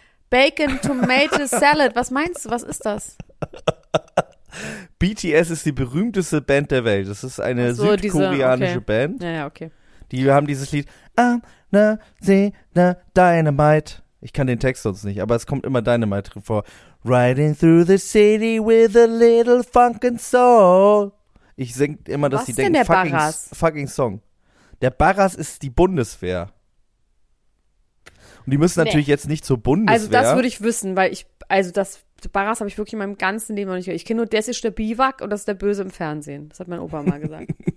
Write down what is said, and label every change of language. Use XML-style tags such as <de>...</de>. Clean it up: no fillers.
<de>Bacon, Tomato, Salad. Was meinst du? Was ist das? BTS ist die berühmteste Band der Welt. Das ist eine so, südkoreanische diese, okay. Band. Ja, okay. Die haben dieses Lied. I'm na, see, na, Dynamite. Ich kann den Text sonst nicht, aber es kommt immer Dynamite vor.</de> <en>Riding through the city with a little funkin' soul.</en> <de>Ich sing immer, dass was die denken, der</de> <en>fucking,</en> <de>Barras?</de> <en>Fucking Song.</en> <de>Der Barras ist die Bundeswehr. Und die müssen natürlich jetzt nicht zur Bundeswehr. Also das würde ich wissen, weil ich, also das Barras habe ich wirklich in meinem ganzen Leben noch nicht gehört. Ich kenne nur, das ist der Biwak und das ist der Böse im Fernsehen. Das hat mein Opa mal gesagt.</de>